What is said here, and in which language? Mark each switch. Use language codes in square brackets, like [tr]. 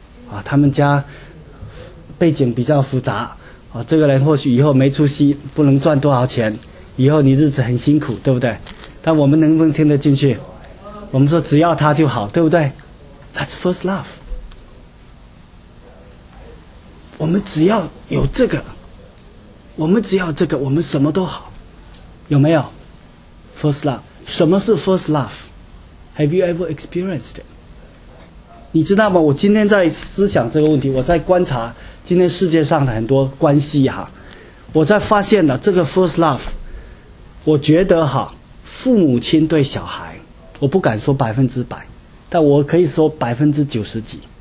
[zh] 啊，他们家背景比较复杂，啊，这个人或许以后没出息，不能赚多少钱，以后你日子很辛苦，对不对？但我们能不能听得进去？我们说只要他就好，对不对 ？ [en] That's first love。 [zh] 我们只要有这个，我们只要这个，我们什么都好，有没有？ [en] First love， [zh] 什么是 [en] first love？ Have you ever experienced it？ [zh] 你知道吗？我今天在思想这个问题，我在观察今天世界上的很多关系哈，我在发现了这个 first love。我觉得哈，父母亲对小孩，我不敢说百分之百，但我可以说百分之九十几。